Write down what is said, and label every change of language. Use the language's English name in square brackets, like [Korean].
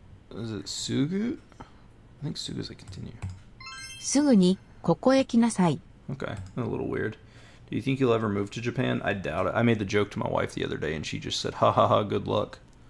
[English] Is it sugu? I think sugu is a continue. [Japanese] すぐにここへ来なさい. [English] Okay, a little weird. Do you think you'll ever move to Japan? I doubt it. I made the joke to my wife the other day and she just said, ha ha ha, good luck.